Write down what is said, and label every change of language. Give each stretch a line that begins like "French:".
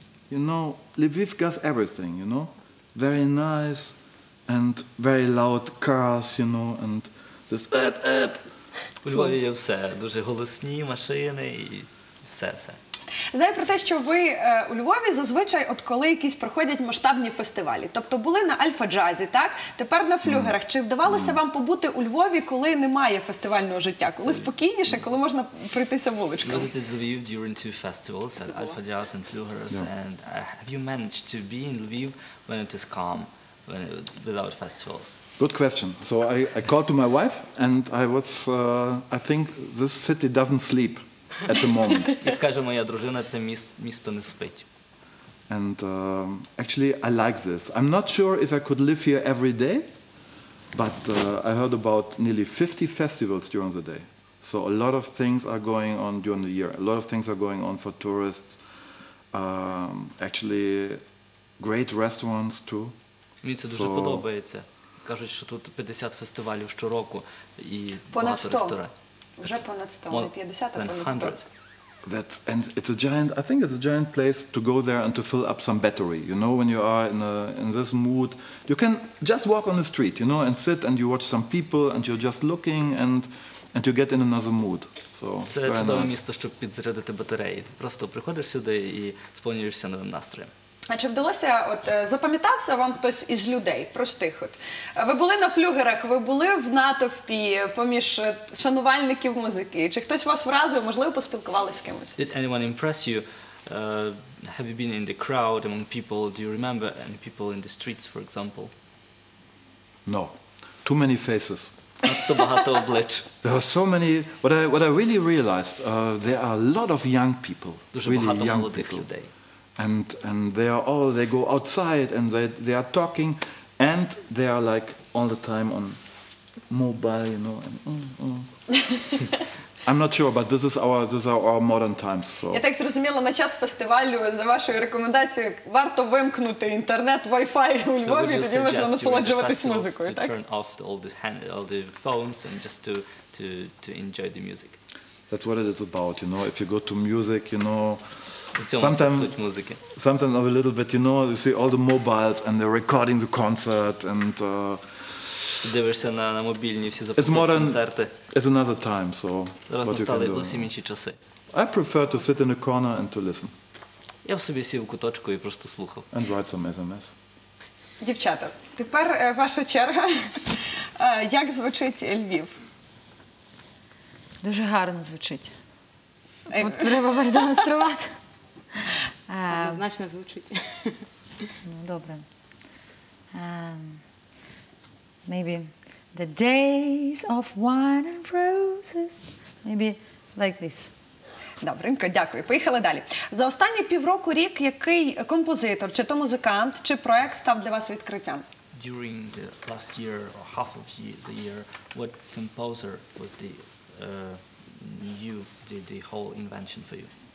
English: Lviv has everything, you know, very nice and very loud cars, you know, and this up.
Ukrainian: У Львові є все, дуже голосні машини і все. Знаю про те, що ви у Львові зазвичай, от коли якісь проходять масштабні фестивалі, тобто були на Альфа-джазі, так? Тепер на флюгерах. Чи вдавалося вам побути у Львові, коли немає фестивального життя? Коли спокійніше, коли можна пройтися вуличкою?
English: You visited Lviv during two festivals, at Альфа-джаз and Flugers, yeah. And have you managed to be in Lviv when it is calm, when it, without festivals? Good question. So I called to my wife and I was, I think this city doesn't sleep. At the moment.
Ukrainian: Як каже моя дружина, це місто не спить.
English: And actually I like this. I'm not sure if I could live here every day, but I heard about nearly 50 festivals during the day. So a lot of things are going on during the year. A lot of things are going on for tourists. Actually great restaurants too.
Ukrainian: Мені це дуже подобається. Кажуть, що тут 50 фестивалів щороку і понад 100. Вже понад 100, 50 понад 100.
English: That's, and it's a giant, I think it's a giant place to go there and to fill up some battery. You know, when you are in this mood, you can just walk on the street, you know, and sit and you watch some people and you're just looking and you get in another mood. So,
Ukrainian: це чудове місто, щоб підзарядити батареї. Ти просто приходиш сюди і сповнюєшся новим настроєм. А чи вдалося, от запам'ятався вам хтось із людей, простих от? Ви були на флюгерах, ви були в натовпі поміж шанувальників музики? Чи хтось вас вразив, можливо, поспілкувалися з кимось?
English: Did anyone impress you? Have you been in the crowd among people? Do you remember any people in the streets, for example? No. Too many faces.
Ukrainian: Надто багато облич.
English: There are so many. What I really realized, there are a lot of young people.
Ukrainian: Дуже
English: really
Ukrainian: багато
English: young
Ukrainian: молодих
English: people.
Ukrainian: Людей.
English: And they are all, they go outside and they are talking and they are like all the time on mobile, you know. And, I'm not sure, but this is our modern times. So.
Ukrainian: Я так зрозуміла, на час фестивалю, за вашою рекомендацією, варто вимкнути інтернет, Wi-Fi у Львові, тоді можна насолоджуватись музикою, так?
English: To turn off all the phones and just to enjoy the music. That's what it's about, you know, if you go to music, you know, Sometimes of a little bit, you know, you see all the mobiles and they're recording the concert and
Ukrainian: дивишся на мобільні всі записують концерти.
English: It's another time, so
Ukrainian: зараз настали зовсім інші часи.
English: I prefer to sit in a corner and to listen.
Ukrainian: Я б собі сів у куточку і просто слухав.
English: And write some SMS.
Ukrainian: Дівчата, тепер ваша черга. Як звучить Львів? Дуже гарно звучить. От треба продемонструвати. Значно звучить. Ну, добре.
English: Maybe the days of wine and roses. Maybe like this.
Ukrainian: Добренько, дякую. Поїхали далі. За останні півроку рік який композитор, чи то музикант, чи проект став для вас відкриттям?
English: During the last year or half of the year, what composer was the new the whole invention for you?